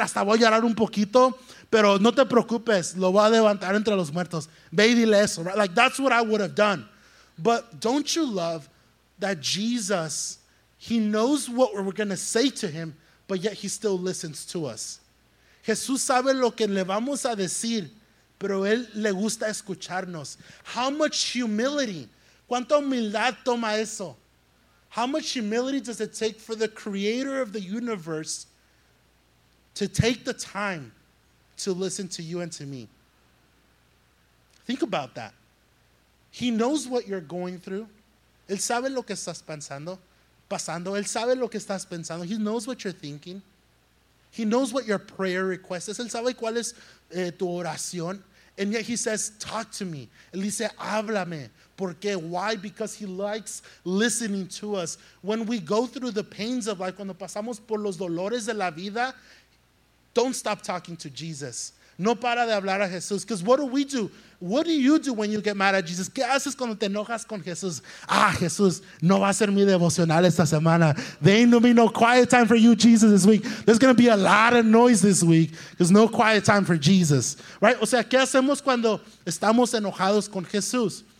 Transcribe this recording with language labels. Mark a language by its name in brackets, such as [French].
[Spanish] Hasta voy a llorar un poquito, pero no te preocupes. Lo voy a levantar entre los muertos. Ve y dile eso. [English] Right? Like, that's what I would have done. But don't you love that Jesus, he knows what we're going to say to him, but yet he still listens to us. [Spanish] Jesús sabe lo que le vamos a decir, pero él le gusta escucharnos. [English] How much humility, [Spanish] ¿cuánta humildad toma eso? [English] How much humility does it take for the creator of the universe to take the time to listen to you and to me? Think about that. He knows what you're going through. [Spanish] Él sabe lo que estás pasando. Él sabe lo que estás pensando. [English] He knows what you're thinking. He knows what your prayer request is. [Spanish] Él sabe cuál es tu oración. [English] And yet he says, talk to me. [Spanish] Él dice, háblame. ¿Por qué? [English] Why? Because he likes listening to us. When we go through the pains of life, [Spanish] cuando pasamos por los dolores de la vida, [English] don't stop talking to Jesus. [Spanish] No para de hablar a Jesús. [English] Because what do we do? What do you do when you get mad at Jesus? [Spanish] ¿Qué haces cuando te enojas con Jesús? Ah, Jesús, no va a ser mi devocional esta semana. [English] There ain't gonna be no quiet time for you, Jesus, this week. There's gonna be a lot of noise this week. There's no quiet time for Jesus. Right? [Spanish] O sea, ¿qué hacemos cuando estamos enojados con Jesús?